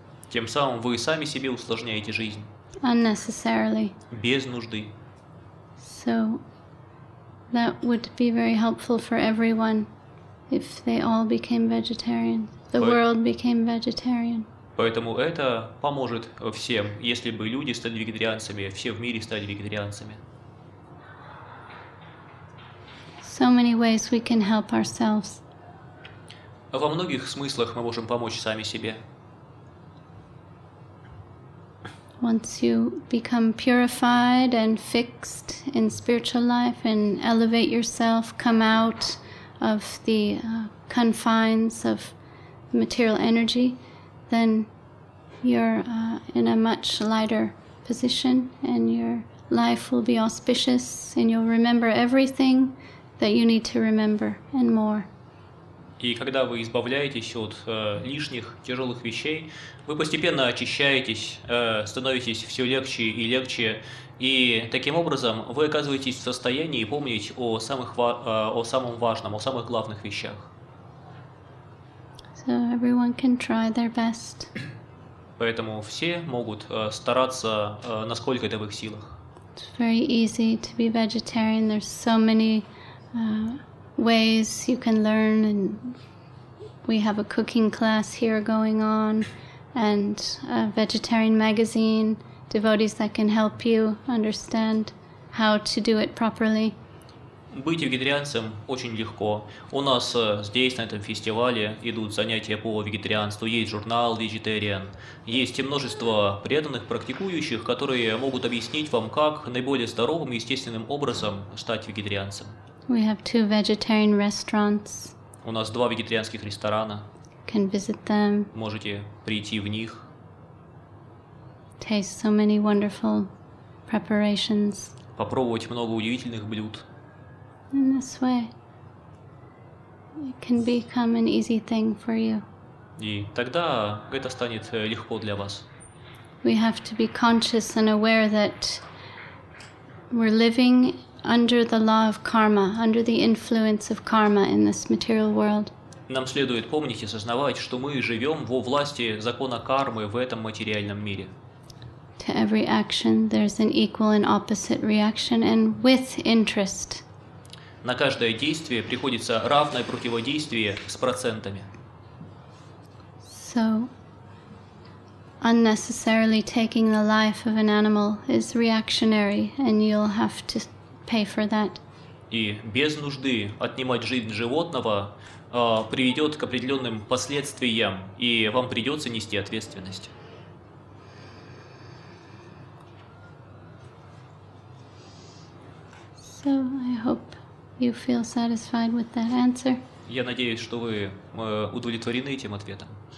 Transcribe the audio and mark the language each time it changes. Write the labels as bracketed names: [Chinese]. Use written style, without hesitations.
[Russian] Тем самым вы сами себе усложняете жизнь. [English] Unnecessarily. [Russian] Без нужды. [English] So that would be very helpful for everyone. If they all became vegetarian, the world became vegetarian. [Russian] Поэтому это поможет всем, если бы люди стали вегетарианцами, все в мире стали вегетарианцами. [English] So many ways we can help ourselves. [Russian] Во многих смыслах мы можем помочь сами себе. [English] Once you become purified and fixed in spiritual life and elevate yourself, come out of the confines of material energy, then you're in a much lighter position and your life will be auspicious and you'll remember everything that you need to remember and more. [Russian] И когда вы избавляетесь от лишних тяжелых вещей, вы постепенно очищаетесь, становитесь все легче и легче. И таким образом вы оказываетесь в состоянии помнить о самом важном, о самых главных вещах. [English] So everyone can try their best. [Russian] Поэтому все могут стараться, насколько это в их силах. [English] It's very easy to be vegetarian. There's so many ways you can learn, and we have a cooking class here going on, and a vegetarian magazine. Devotees that can help you understand how to do it properly. [Russian] Быть вегетарианцем очень легко. У нас здесь, на этом фестивале, идут занятия по вегетарианству, есть журнал Vegetarian, есть множество преданных практикующих, которые могут объяснить вам, как наиболее здоровым и естественным образом стать вегетарианцем. [English] We have two vegetarian restaurants. [Russian] У нас два вегетарианских ресторана. [English] Can visit them. [Russian] Можете прийти в них. [English] Taste so many wonderful preparations. [Russian] Попробовать много удивительных блюд. [English] In this way, it can become an easy thing for you. [Russian] И тогда это станет легко для вас. [English] We have to be conscious and aware that we're living under the law of karma, under the influence of karma in this material world. [Russian] Нам следует помнить и осознавать, что мы живем во власти закона кармы в этом материальном мире. [English] To every action, there's an equal and opposite reaction, and with interest. [Russian] На каждое действие приходится равное противодействие с процентами. [English] So, unnecessarily taking the life of an animal is reactionary, and you'll have to pay for that. [Russian] И без нужды отнимать жизнь животного приведет к определенным последствиям, и вам придется нести ответственность. [English] So I hope you feel satisfied with that answer. [Russian] Я надеюсь, что вы удовлетворены этим ответом.